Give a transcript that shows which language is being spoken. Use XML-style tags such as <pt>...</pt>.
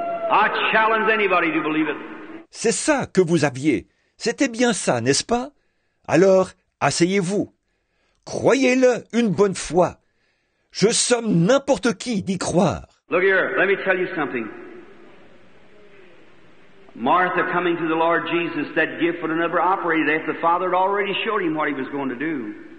<en>I challenge anybody to believe it.</en> <fr>C'est ça que vous aviez. C'était bien ça, n'est-ce pas? Alors, asseyez-vous. Croyez-le une bonne fois. Je somme n'importe qui d'y croire.</fr> <en>Look here, let me tell you something. Martha coming to the Lord Jesus, that gift would have never operated if the Father had already showed him what he was going to do.</en>